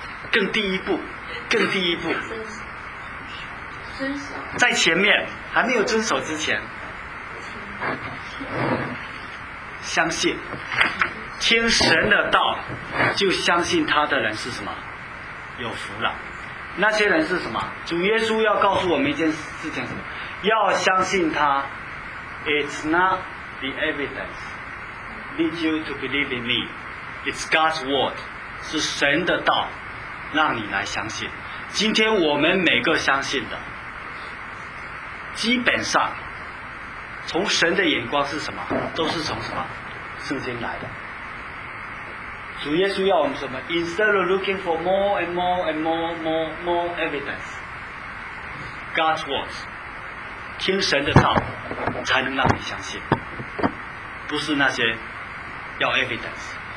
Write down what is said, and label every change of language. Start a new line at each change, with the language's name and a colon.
Chinese: 更第一步，更第一步，在前面还没有遵守之前，相信听神的道就相信他的人是什么？有福了。那些人是什么？主耶稣要告诉我们一件事情，什么？要相信他。
English: It's not the evidence lead you to believe in me, it's God's word，
Chinese: 是神的道让你来相信。今天我们每个相信的基本上从神的眼光是什么？都是从什么？圣经来的。主耶稣要我们什么？
English: Instead of looking for more and more and more more more evidence, God's words，
Chinese: 听神的道才能让你相信，不是那些要
English: evidence。